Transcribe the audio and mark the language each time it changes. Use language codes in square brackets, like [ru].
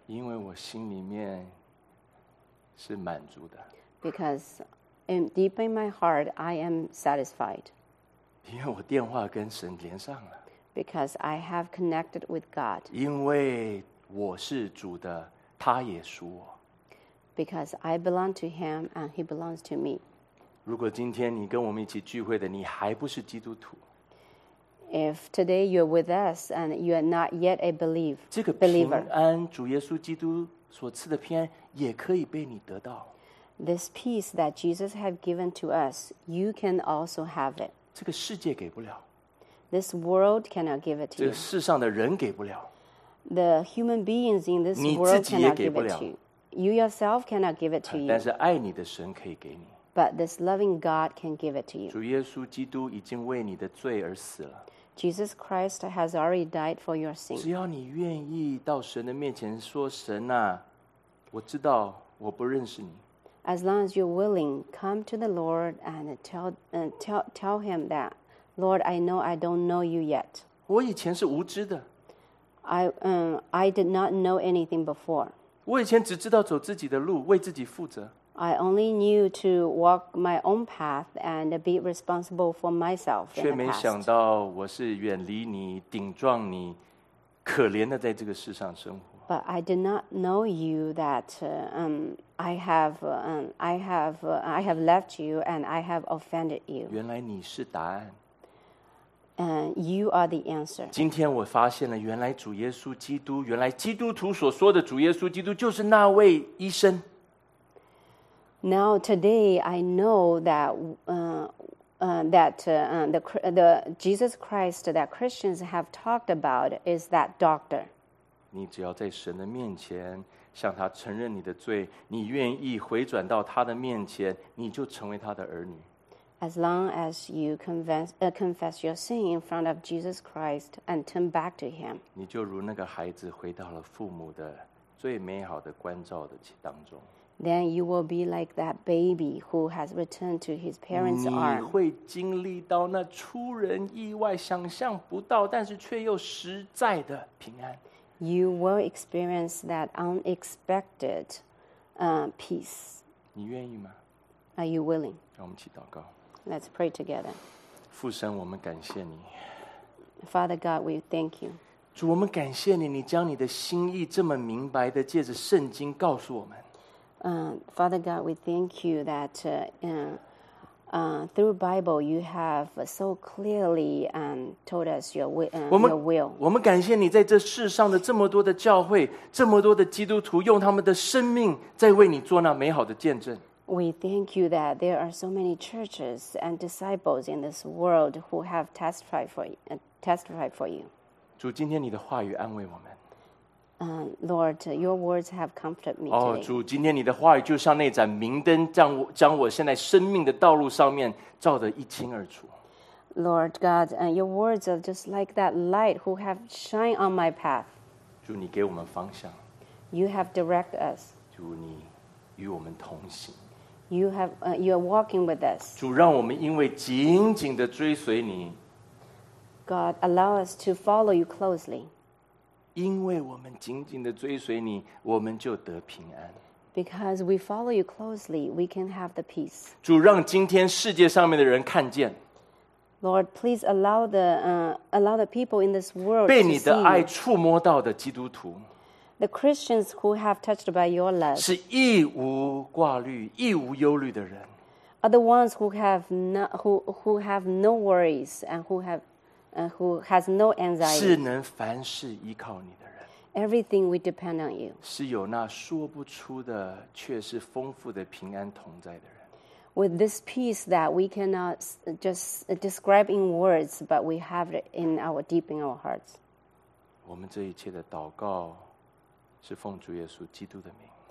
[zh] 因为我心里面是满足的。 [en] Because in deep in my heart, I am satisfied. [zh] 因为我电话跟神连上了。 [en] Because I have connected with God. [zh] 因为我是主的，他也属我。 [en] Because I belong to him and he belongs to me. [zh] 如果今天你跟我们一起聚会的，你还不是基督徒。 [en] If today you're with us and you are not yet a believer, [zh] 这个平安，主耶稣基督所赐的平安也可以被你得到。 [en] This peace that Jesus has given to us, you can also have it. [zh] 这个世界给不了。 [en] This world cannot give it to you. [zh] 这个世上的人给不了。 [en] The human beings in this world cannot give it to you. You yourself cannot give it to you. [zh] 但是爱你的神可以给你。 [en] But this loving God can give it to you. [zh] 主耶稣基督已经为你的罪而死了。 [en] Jesus Christ has already died for your sin. [zh] 只要你愿意到神的面前说神啊，我知道我不认识你。 [en] As long as you're willing, come to the Lord and tell him that, Lord, I know I don't know you yet. [zh] 我以前是无知的。 [en] I did not know anything before. [zh] 我以前只知道走自己的路，为自己负责。 [en] I only knew to walk my own path and be responsible for myself. [zh] 却没想到我是远离你、顶撞你、可怜的在这个世上生活。 [en] But I did not know you that I have left you and I have offended you. [zh] 原来你是答案。 [en] And you are the answer. [zh] 今天我发现了，原来主耶稣基督，原来基督徒所说的主耶稣基督就是那位医生。 [en] Now today I know that the Jesus Christ that Christians have talked about is that doctor. [zh] 你只要在神的面前向他承认你的罪，你愿意回转到他的面前，你就成为他的儿女。 [en] As long as you confess your sin in front of Jesus Christ and turn back to Him, [zh] 你就如那个孩子回到了父母的最美好的关照的当中。 [en] Then you will be like that baby who has returned to his parents' arms. [zh] 你会经历到那出人意外、想象不到，但是却又实在的平安。 [en] You will experience that unexpected, peace. [zh] 你愿意吗？ [en] Are you willing? [zh] 让我们一起祷告。 [en] Let's pray together. [zh] 父神，我们感谢你。 [en] Father God, we thank you. [zh] 主，我们感谢你，你将你的心意这么明白的借着圣经告诉我们。 [en] Father God, we thank you that through Bible you have so clearly told us your will. [zh] 我们感谢你在这世上的这么多的教会，这么多的基督徒用他们的生命在为你做那美好的见证。 [en] We thank you that there are so many churches and disciples in this world who have testified for you. [zh] 主，今天你的话语安慰我们。 [en] Lord, your words have comforted me today. [zh] 主，今天你的话语就像那盏明灯，将我现在生命的道路上面照得一清二楚。 [en] Lord God, your words are just like that light who have shined on my path. [zh] 主，你给我们方向。 [en] You have direct us. [zh] 主，你与我们同行。 [en] You are walking with us. [zh] 主，让我们因为紧紧的追随你。 [en] God, allow us to follow you closely. [zh] 因为我们紧紧的追随你，我们就得平安。 [en] Because we follow you closely, we can have the peace. [zh] 主，让今天世界上面的人看见。 [en] Lord, please allow the people in this world [zh] 被你的爱触摸到的基督徒。 [en] The Christians who have touched by your love [zh] 是一无挂虑、一无忧虑的人。 [en] Are the ones who have no worries and who has no anxiety. [zh] 是能凡事依靠你的人。 [en] Everything we depend on you. [zh] 是有那说不出的却是丰富的平安同在的人。 [en] With this peace that we cannot just describe in words, but we have it in our deep in our hearts. [zh] 我们这一切的祷告是奉主耶稣基督的名。